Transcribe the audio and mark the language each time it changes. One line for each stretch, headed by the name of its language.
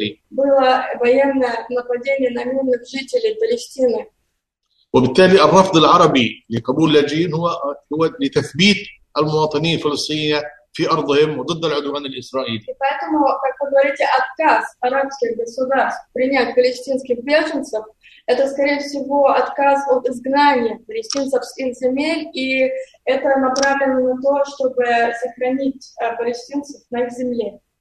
Russian: Было военное нападение на мирных жителей Палестины.
Arabic: وبالتالي الرفض العربي لقبول لاجئين هو لتثبيت المواطنين الفلسطينيين في أرضهم وضد العدوان الإسرائيلي.
Russian: поэтому, как вы говорите, отказ арабских государств принять палестинских беженцев, это, скорее всего, отказ от изгнания палестинцев с их земель, и это направлено на то, чтобы сохранить палестинцев на их земле.